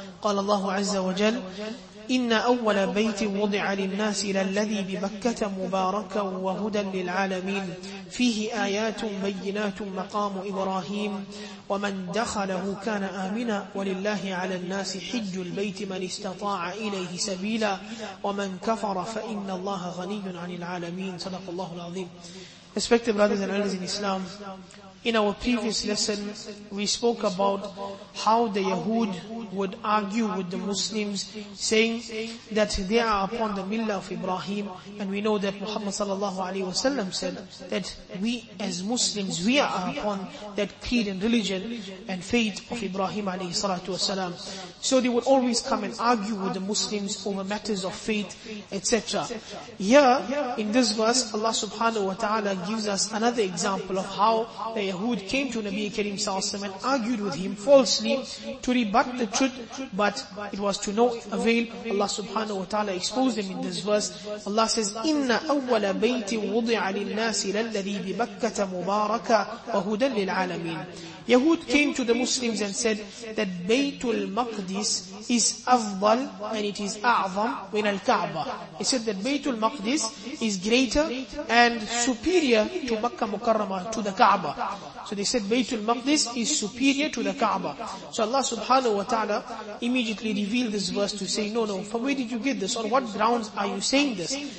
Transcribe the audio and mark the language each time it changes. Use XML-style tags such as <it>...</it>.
<ar>قال الله عز وجل: إن أول بيت وضع للناس للذي ببكة مباركا وهدى للعالمين، فيه آيات بينات مقام إبراهيم، ومن دخله كان آمنا، ولله على الناس حج البيت من استطاع إليه سبيلا، ومن كفر فإن الله غني عن العالمين. صدق الله العظيم.</ar> <en>Respected brothers and elders in Islam, in our previous lesson, we spoke about how the Yahud would argue with the Muslims, saying that they are upon the Millah of Ibrahim. And we know that Muhammad sallallahu alaihi wasallam said that we as Muslims, we are upon that creed and religion and faith of Ibrahim alayhi salatu wasalam. So they would always come and argue with the Muslims over matters of faith, etc. Here, in this verse, Allah subhanahu wa ta'ala gives us another example of how the Yahud came to Nabi Kareem sallallahu alayhi wa sallam and argued with him falsely to rebut the truth, but it was to no avail. Allah subhanahu wa ta'ala exposed them in this verse. Allah says,</en> <ar>إِنَّ أَوَّلَ بَيْتٍ وُضِعَ لِلنَّاسِ لَلَّذِي بِبَكَّةَ مُبَارَكَ وَهُدًى لِلْعَالَمِينَ.</ar> <en>Yahud came to the Muslims and said that Baytul Maqdis is afdal and it is a'zam min al-Ka'bah. He said that Baytul Maqdis is greater and superior to Makkah Mukarramah, to the Ka'bah. So they said Baytul Maqdis is superior to the Ka'bah. So Allah subhanahu wa ta'ala immediately revealed this verse to say, no, from where did you get this? On what grounds are you saying this?</en>